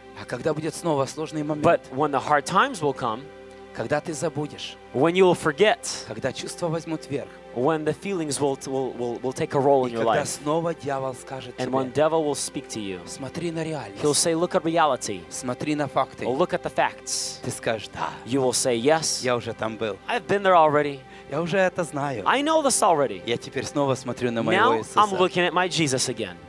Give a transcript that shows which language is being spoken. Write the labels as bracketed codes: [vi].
[ru] А когда будет снова сложный момент? [en] But when the hard times will come, [ru] когда ты забудешь? [en] When you will forget. [ru] Когда чувства возьмут верх? [en] When the feelings will take a role in your life. [ru] И когда снова дьявол скажет тебе? [en] And when devil will speak to you. [ru] Смотри на реальность. [en] He'll say, look at reality. [ru] Смотри на факты. [en] Look at the facts. [ru] Ты скажешь да. [en] You will say yes. [ru] Я уже там был. [en] I've been there already. [ru] Я уже это знаю. [en] I know this already. [ru] Я теперь снова смотрю на моего [en] Now, [ru] Иисуса. [en] I'm looking at my Jesus again.